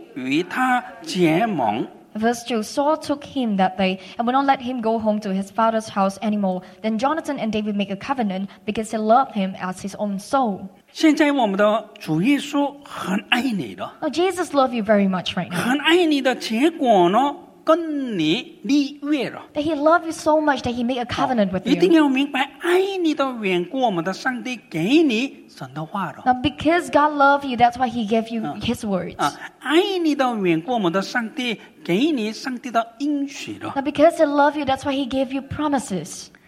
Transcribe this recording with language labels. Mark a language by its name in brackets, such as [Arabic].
[Chinese] 约拿单爱大卫如同爱自己的性命，就与他结盟。Verse [English] 2, Saul took him that day and would not let him go home to his father's house anymore. Then Jonathan and David make a covenant because they loved him as his own soul. [Chinese] 现在我们的主耶稣很爱你的。Now [English] Jesus loves you very much right now. [Chinese] 很爱你的结果呢？跟你立约了, [English] that he loved you so much that he made a covenant with you. [Chinese] 一定要明白爱你的缘故，我们的上帝给你神的话了。 [English] Now because God loved you, that's why he gave you his words. [Chinese] 爱你的缘故，我们的上帝给你上帝的应许了。 [English] Now because he loved you, that's why he gave you promises.